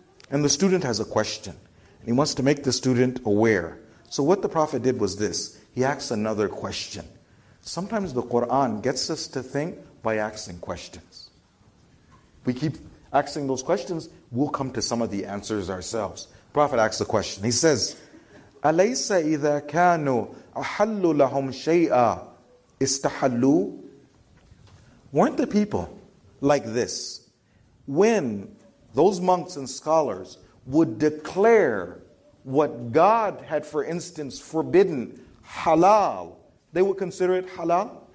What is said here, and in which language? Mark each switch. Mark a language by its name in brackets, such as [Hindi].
[English] And the student has a question. And he wants to make the student aware. So what the Prophet did was this. He asked another question. Sometimes the Quran gets us to think by asking questions. We keep asking those questions, we'll come to some of the answers ourselves. Prophet asks the question. He says, [Arabic] أَلَيْسَ إِذَا كَانُوا أَحَلُّ لَهُمْ شَيْئًا إِسْتَحَلُّوا. [English] Weren't the people like this when those monks and scholars would declare what God had, for instance, forbidden halal, they would consider it halal?